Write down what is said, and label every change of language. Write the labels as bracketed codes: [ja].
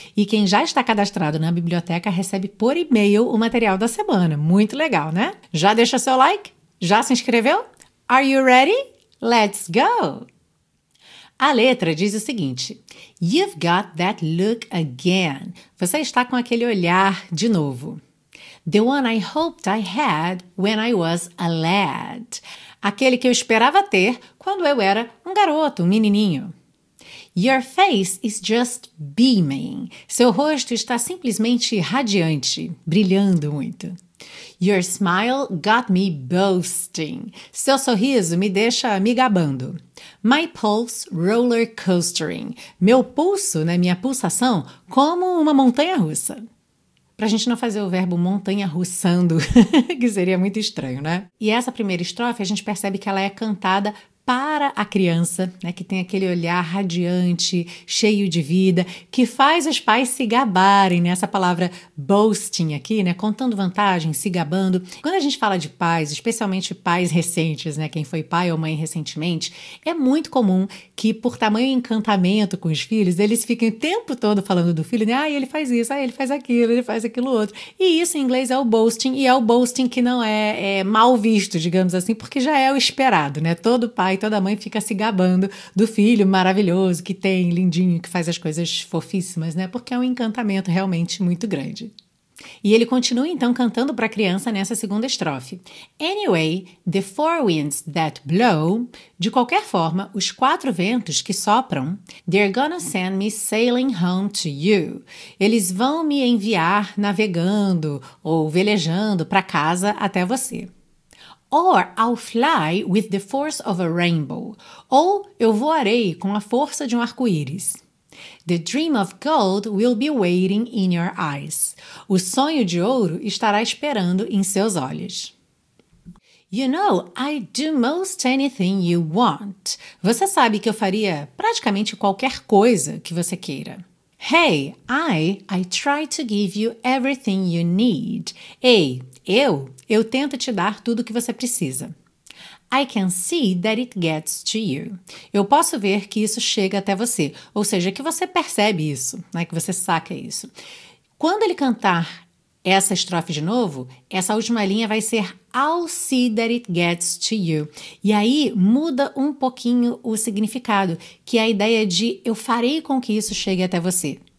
[pt] E quem já está cadastrado na biblioteca recebe por e-mail o material da semana. Muito legal, né? Já deixa seu like? Já se inscreveu? [en] Are you ready? Let's go! [pt] A letra diz o seguinte: [en] You've got that look again. [pt] Você está com aquele olhar de novo. [en] The one I hoped I had when I was a lad. [pt] Aquele que eu esperava ter quando eu era um garoto, um menininho. [en] Your face is just beaming. [pt] Seu rosto está simplesmente radiante, brilhando muito. [en] Your smile got me boasting. [pt] Seu sorriso me deixa me gabando. [en] My pulse roller coastering. [pt] Meu pulso, né, minha pulsação, como uma montanha-russa. Pra gente não fazer o verbo montanha-russando, que seria muito estranho, né? E essa primeira estrofe, a gente percebe que ela é cantada para a criança, né? Que tem aquele olhar radiante, cheio de vida, que faz os pais se gabarem, né? Essa palavra boasting aqui, né? Contando vantagens, se gabando. Quando a gente fala de pais, especialmente pais recentes, né? Quem foi pai ou mãe recentemente, é muito comum que, por tamanho encantamento com os filhos, eles fiquem o tempo todo falando do filho, né? Ah, ele faz isso, ah, ele faz aquilo, ele faz aquilo outro. E isso, em inglês, é o boasting, e é o boasting que não é mal visto, digamos assim, porque já é o esperado, né? Todo pai, toda mãe fica se gabando do filho maravilhoso que tem, lindinho, que faz as coisas fofíssimas, né? Porque é um encantamento realmente muito grande. E ele continua então cantando para a criança nessa segunda estrofe. [en] Anyway, the four winds that blow, [pt] de qualquer forma, os quatro ventos que sopram, [en] they're gonna send me sailing home to you. [pt] Eles vão me enviar navegando ou velejando para casa até você. [en] Or I'll fly with the force of a rainbow. [pt] Ou eu voarei com a força de um arco-íris. [en] The dream of gold will be waiting in your eyes. [pt] O sonho de ouro estará esperando em seus olhos. [en] You know, I do most anything you want. [pt] Você sabe que eu faria praticamente qualquer coisa que você queira. [en] Hey, I try to give you everything you need. [pt] Ei, eu tento te dar tudo o que você precisa. [en] I can see that it gets to you. [pt] Eu posso ver que isso chega até você. Ou seja, que você percebe isso, né? Que você saca isso. Quando ele cantar essa estrofe de novo, essa última linha vai ser [en] I'll see that it gets to you. [pt] E aí muda um pouquinho o significado, que é a ideia de eu farei com que isso chegue até você.